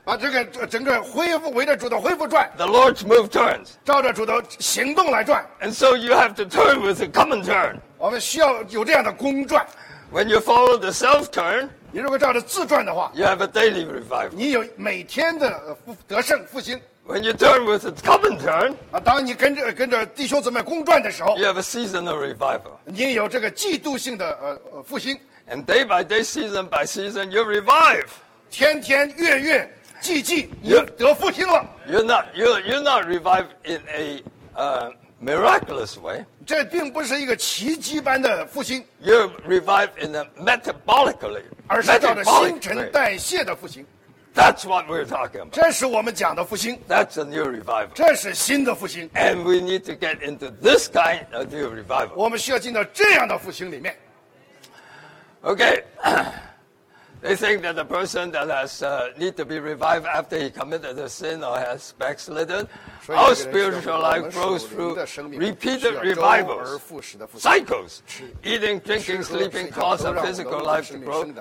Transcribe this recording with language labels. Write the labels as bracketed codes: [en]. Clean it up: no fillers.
[zh] 这个整个恢复围着主的恢复转 [en] ，The Lord's move turns， [zh] 照着主的行动来转 [en] ，And so you have to turn with the common turn。 [zh] 我们需要有这样的公转 [en] ，When you follow the self turn， [zh] 你如果照着自转的话 [en] ，You have a daily revival。 [zh] 你有每天的得胜复兴。 [en] When you turn with the common turn， [zh] 当你跟着弟兄姊妹公转的时候 [en] ，You have a seasonal revival。 [zh] 你有这个季度性的复兴 [en] ，And day by day, season by season, you revive。 [zh] 天天月月。 [en] You're not revived in a miraculous way. [zh] 这并不是一个奇迹般的复兴。 [en] You're revived in a metabolically, [zh] 而是照着新陈代谢的复兴。 [en] That's what we're talking about. [zh] 这是我们讲的复兴。 [en] That's a new revival. [zh] 这是新的复兴。 [en] And we need to get into this kind of new revival. [zh] 我们需要进到这样的复兴里面。 [en] Okay. They think that the person that has need to be revived after he committed a sin or has backslidden, our spiritual life grows through repeated revivals, cycles, eating, drinking, sleeping cause our physical life to grow.